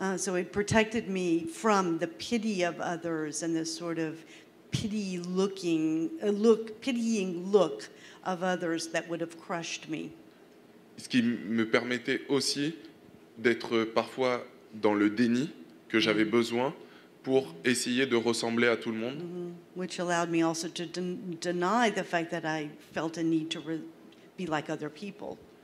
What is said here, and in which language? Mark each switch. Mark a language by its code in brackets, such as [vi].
[en] So it protected me from the pity of others and the sort of pitying look of others that would have crushed me. [fr] Ce qui me permettait aussi d'être parfois dans le déni que j'avais besoin pour essayer de ressembler à tout le monde. [en] Which allowed me also to deny the fact that I felt a need to be like other people.